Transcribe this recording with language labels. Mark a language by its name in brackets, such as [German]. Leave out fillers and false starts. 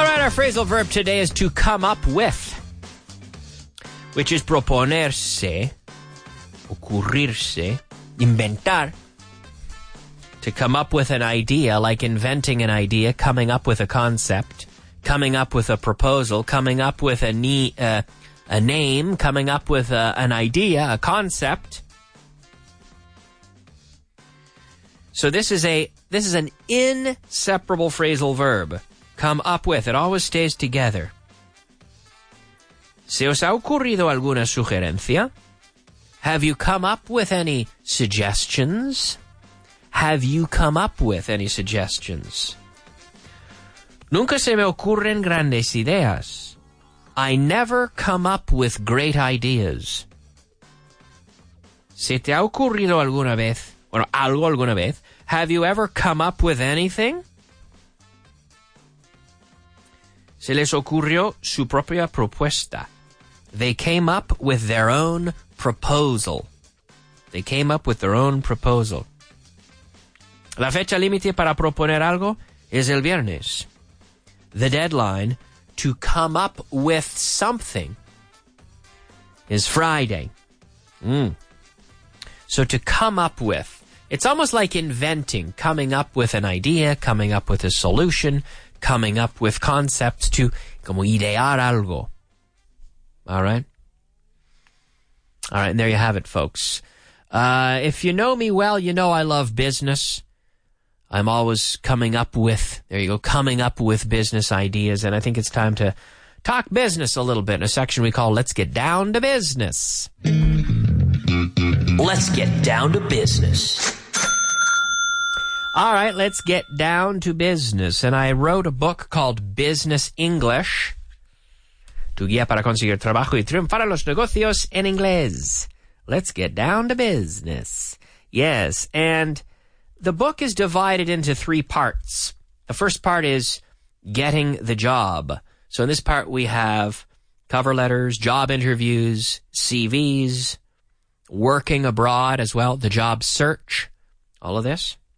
[English] Phrasal verb today is to come up with, which is [Spanish] proponerse, ocurrirse, inventar, [English] to come up with an idea, like inventing an idea, coming up with a concept, coming up with a proposal, coming up with a name, coming up with an idea, a concept. So this is an inseparable phrasal verb. Come up with. It always stays together. [Spanish] ¿Se os ha ocurrido alguna sugerencia? [English] Have you come up with any suggestions? Have you come up with any suggestions? [Spanish] Nunca se me ocurren grandes ideas. [English] I never come up with great ideas. [Spanish] ¿Se te ha ocurrido alguna vez? Bueno, algo alguna vez. [English] Have you ever come up with anything? [Spanish] Se les ocurrió su propia propuesta. [English] They came up with their own proposal. They came up with their own proposal. [Spanish] La fecha límite para proponer algo es el viernes. [English] The deadline to come up with something is Friday. So to come up with. It's almost like inventing, coming up with an idea, coming up with a solution, coming up with concepts to, [Spanish] como idear algo. [English] All right? All right, and there you have it, folks. If you know me well, you know I love business. I'm always coming up with, there you go, coming up with business ideas. And I think it's time to talk business a little bit in a section we call Let's Get Down to Business. Let's get down to business. All right, let's get down to business. And I wrote a book called Business English. [Spanish] Tu guía para conseguir trabajo y triunfar en los negocios en inglés. [English] Let's get down to business. [Spanish] Yes, and [English] The book is divided into three parts. The first part is getting the job. So in this part, we have cover letters, job interviews, CVs, working abroad as well, the job search, all of this.